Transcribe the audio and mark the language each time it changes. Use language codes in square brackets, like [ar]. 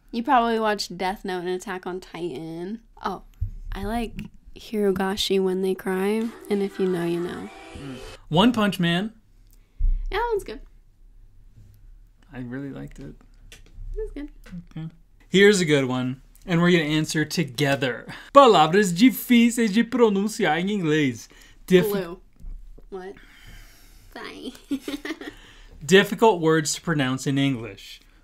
[en] You probably watched Death Note and Attack on Titan. Oh, I like. Hirogashi when they cry, and if you know, you know. One Punch Man. Yeah, that one's good. I really liked it. It was good. Okay. Here's a good one, and we're going to answer together. [pt] Palavras difíceis de pronunciar em inglês. [en] Blue. What? Sorry. Difficult words to pronounce in English.